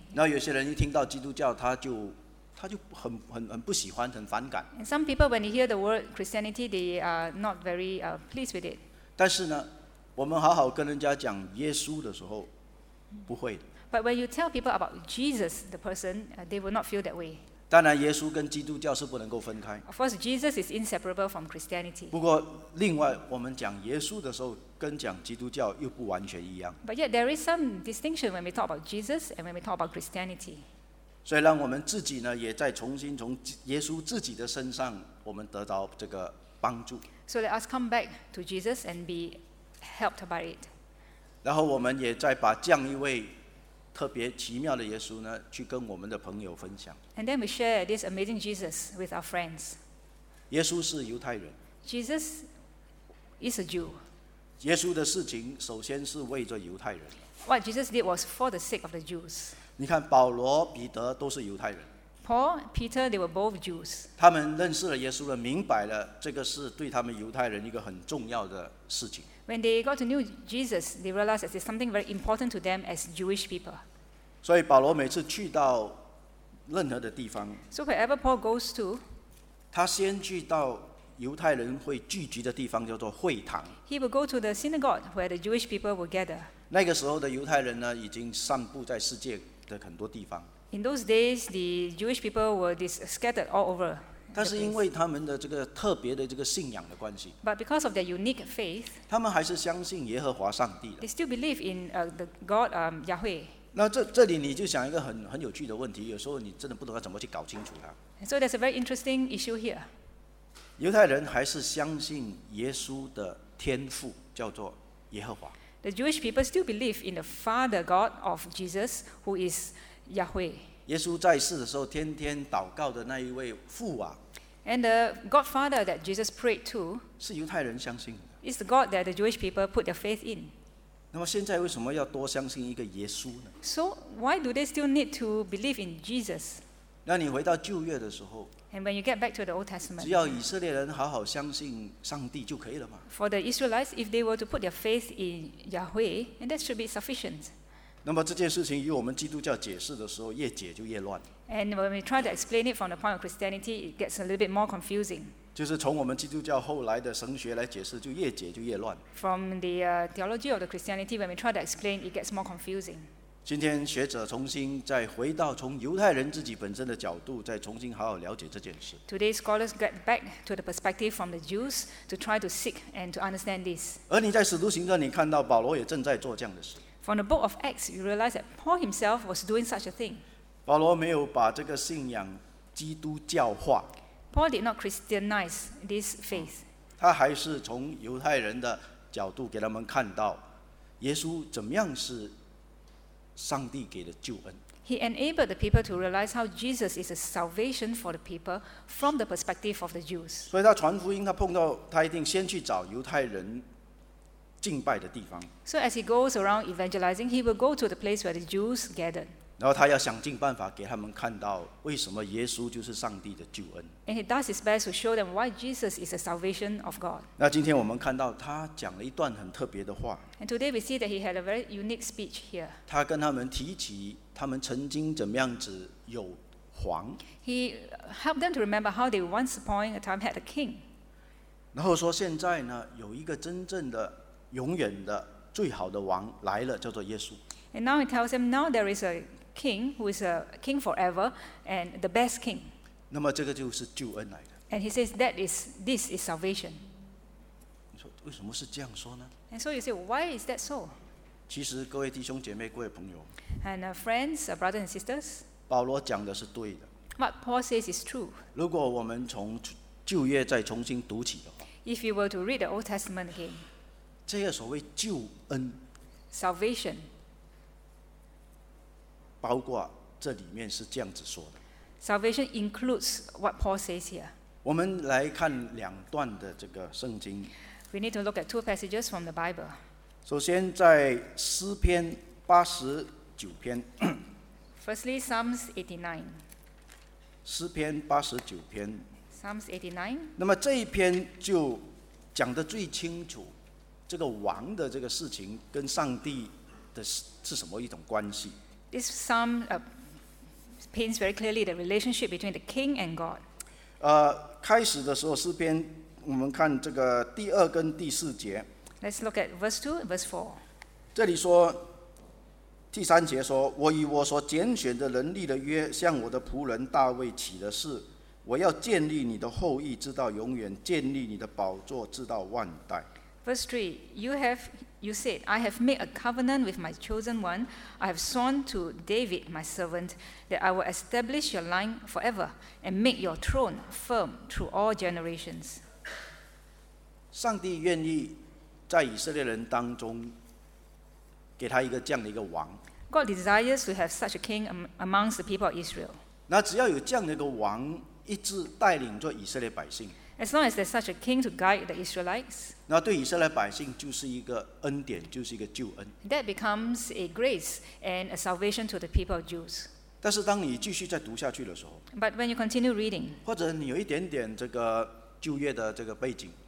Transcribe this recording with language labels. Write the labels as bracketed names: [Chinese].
[Chinese] 那有些人一听到基督教，他就很不喜欢，很反感。 [English] And some people when they hear the word Christianity, they are not very pleased with it. [Chinese] 但是呢，我们好好跟人家讲耶稣的时候，不会的。 [English] But when you tell people about Jesus, the person, they will not feel that way. [Chinese] 当然，耶稣跟基督教是不能够分开。 [English] Of course, Jesus is inseparable from Christianity. [Chinese] 不过，另外我们讲耶稣的时候，跟讲基督教又不完全一样。 [English] But yet there is some distinction when we talk about Jesus and when we talk about Christianity. [Chinese] 所以，让我们自己呢，也再重新从耶稣自己的身上，我们得到这个帮助。 [English] So let us come back to Jesus and be helped by it. [Chinese] 然后，我们也再把这样一位特别奇妙的耶稣呢，去跟我们的朋友分享。 [English] And then we share this amazing Jesus with our friends. [Chinese] 耶稣是犹太人。 [English] Jesus is a Jew. [Chinese] 耶稣的事情首先是为着犹太人。 [English] What Jesus did was for the sake of the Jews. [Chinese] 你看，保罗、彼得都是犹太人。 [English] Paul, Peter, they were both Jews. [Chinese] 他们认识了耶稣了，明白了这个是对他们犹太人一个很重要的事情。 [English] When they got to know Jesus, they realized that it's something very important to them as Jewish people. [Chinese] 所以保罗每次去到任何的地方， [English] so wherever Paul goes to, [Chinese] 他先去到犹太人会聚集的地方叫做会堂。 [English] He will go to the synagogue where the Jewish people will gather. [Chinese] 那个时候的犹太人呢，已经散布在世界的很多地方。 [English] In those days, the Jewish people were scattered all over. [Chinese] 但是因为他们的这个特别的这个信仰的关系， [English] but because of their unique faith, [Chinese] 他们还是相信耶和华上帝的。 [English] They still believe in the God Yahweh. [Chinese] 那这里你就想一个很有趣的问题，有时候你真的不懂得怎么去搞清楚它。 [English] So there's a very interesting issue here. [Chinese] 犹太人还是相信耶稣的天父叫做耶和华。 [English] The Jewish people still believe in the Father God of Jesus, who is Yahweh. [Chinese] 耶稣在世的时候天天祷告的那一位父王。 [English] And the Godfather that Jesus prayed to, [Chinese] 是犹太人相信的。 [English] It's the God that the Jewish people put their faith in. [Chinese] 那么现在为什么要多相信一个耶稣呢？ [English] So why do they still need to believe in Jesus? [Chinese] 那你回到旧约的时候 [English] ，And when you get back to the Old Testament， [Chinese] 只要以色列人好好相信上帝就可以了嘛。 [English] For the Israelites, if they were to put their faith in Yahweh, and that should be sufficient。 [Chinese] 那么这件事情与我们基督教解释的时候，越解就越乱。 [English] And when we try to explain it from the point of Christianity, it gets a little bit more confusing。 [Chinese] 就是从我们基督教后来的神学来解释，就越解就越乱。 [English] From the theology of the Christianity, when we try to explain, it gets more confusing。 [Chinese] 今天学者重新再回到从犹太人自己本身的角度，再重新好好了解这件事。 [English] Today scholars get back to the perspective from the Jews to try to seek and to understand this。 [Chinese] 而你在使徒行传，你看到保罗也正在做这样的事。 [English] From the book of Acts, you realize that Paul himself was doing such a thing。 [Chinese] 保罗没有把这个信仰基督教化。 [English] Paul did not Christianize this faith。 [Chinese] 他还是从犹太人的角度给他们看到耶稣怎么样是。上帝给的救恩。 [English] He enabled the people to realize how Jesus is a salvation for the people from the perspective of the Jews. [Chinese] 所以他传福音，他碰到他一定先去找犹太人敬拜的地方。 [English] So as he goes around evangelizing, he will go to the place where the Jews gathered. [Chinese] 然后他要想尽办法给他们看到为什么耶稣就是上帝的救恩。 [English] And he does his best to show them why Jesus is a salvation of God. [Chinese] 那今天我们看到他讲了一段很特别的话。 [English] And today we see that he had a very unique speech here. [Chinese] 他跟他们提起他们曾经怎么样子有皇。 [English] He helped them to remember how they once upon a time had a king. [Chinese] 然后说现在呢有一个真正的永远的最好的王来了，叫做耶稣。 [English] And now he tells them now there is a king who is a king forever and the best king. [Chinese] 那么这个就是救恩来的。 [English] And he says that is this is salvation. [Chinese] 你说为什么是这样说呢？ [English] And so you say why is that so? [Chinese] 其实各位弟兄姐妹各位朋友 [English] and friends, brothers and sisters, [Chinese] 保罗讲的是对的。 [English] What Paul says is true. [Chinese] 如果我们从旧约再重新读起的话， [English] If you were to read the Old Testament again, [Chinese] 这个所谓救恩 [English] salvation, [Chinese] 包括这里面是这样子说的。 [English] Salvation includes what Paul says here. [Chinese] 我们来看两段的这个圣经。 [English] We need to look at two passages from the Bible. [Chinese] 首先在诗篇八十九篇。 [English] Firstly, Psalms 89. [Chinese] 诗篇八十九篇。 [English] Psalms 89. [Chinese] 那么这一篇就讲得最清楚，这个王的这个事情跟上帝的是什么一种关系。 [English] This psalm paints very clearly the relationship between the king and God. [Chinese] 开始的时候诗篇，我们看这个第二跟第四节。 [English] Let's look at verse 2 and verse 4. [Chinese] 这里说，第三节说，我与我所拣选的人立了约，向我的仆人大卫起了誓，我要建立你的后裔直到永远，建立你的宝座直到万代。 [English] Verse 3, you said, I have made a covenant with my chosen one. I have sworn to David, my servant, that I will establish your line forever and make your throne firm through all generations. [Chinese] 上帝愿意在以色列人当中给他一个这样的一个王。 [English] God desires to have such a king amongst the people of Israel. [Chinese] 那只要有这样的一个王一直带领着以色列百姓。 [English] As long as there's such a king to guide the Israelites, [Chinese] 那对以色列百姓就是一个恩典，就是一个救恩。 [English] That becomes a grace and a salvation to the people of Jews. [Chinese] 但是当你继续再读下去的时候， [English] But when you continue reading, [Chinese] 或者你有一点点这个旧约的这个背景，